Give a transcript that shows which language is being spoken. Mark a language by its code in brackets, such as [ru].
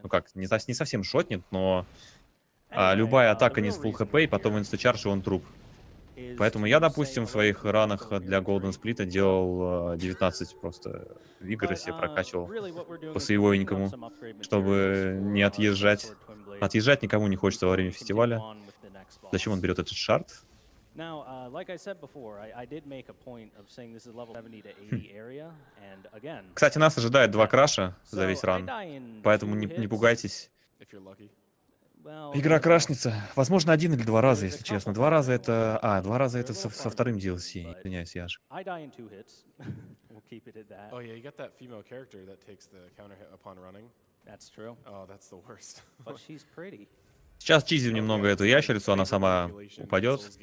[ru] Ну как, не совсем шотнет, но любая атака не с фулл хп, и потом инстачардж, и он труп. Поэтому я, допустим, в своих ранах для Golden Split делал 19 просто вигора себе прокачивал по-своевенькому, чтобы не отъезжать. Отъезжать никому не хочется во время фестиваля. Зачем он берет этот шард? [en] Now, like I said before, I did make a point of saying this is level 70 to 80 area, and again. [ru] Кстати, нас ожидает два краша за весь ран, поэтому не пугайтесь. Игра крашнется. Возможно, один или два раза, если честно. Два раза это... А, два раза это со вторым DLC. Извиняюсь, я же. [en] I die in two hits. We'll keep it at that. Oh yeah, you got that female character that takes the counter hit upon running. That's true. Oh, that's the worst. But she's pretty. [ru] Сейчас чизим немного эту ящерицу, она сама упадет.